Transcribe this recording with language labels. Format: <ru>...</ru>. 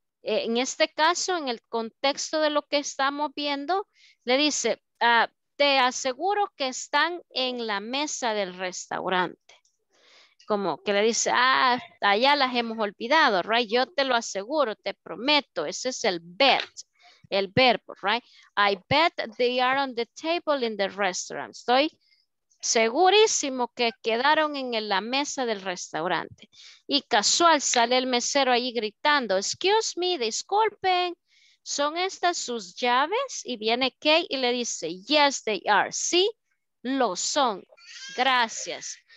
<es>En este caso, en el contexto de lo que estamos viendo, le dice, te aseguro que están en la mesa del restaurante. Como que le dice, ah, allá las hemos olvidado, right? Yo te lo aseguro, te prometo, ese es el bet, el verbo, right?</es> <en>I bet they are on the table in the restaurant.</en> <es>Estoy segurísimo que quedaron en la mesa del restaurante. Y casual sale el mesero ahí gritando,</es> <en>excuse me,</en> <es>disculpen, ¿son estas sus llaves? Y viene Kay y le dice,</es> <en>yes, they are.</en> <es>Sí, lo son. Gracias.</es>